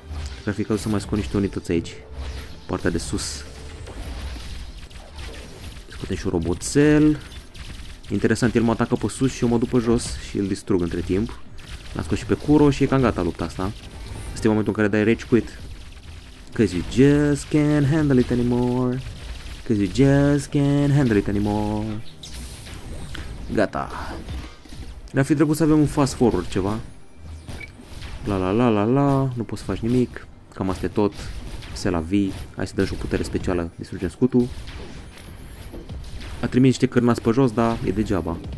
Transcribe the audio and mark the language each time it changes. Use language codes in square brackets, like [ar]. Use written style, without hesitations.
[ro] Cred că ar fi cazul să mai scot niște unități aici, partea de sus. Scoatem și un roboțel. Interesant, el mă atacă pe sus și eu mă duc pe jos și îl distrug între timp. L-am scos și pe Kuro și e cam gata lupta asta. Asta e momentul în care dai rage quit. [en] Cause you just can't handle it anymore. Cause you just can't handle it anymore. [ro] Gata. Ne-ar fi trebuit să avem un fast forward ceva. La la la la la, nu poți să faci nimic. Cam asta e tot. Se la vii. Hai să dăm și o putere specială. Distrugem scutul. A trimis niște cârnați pe jos, dar e degeaba.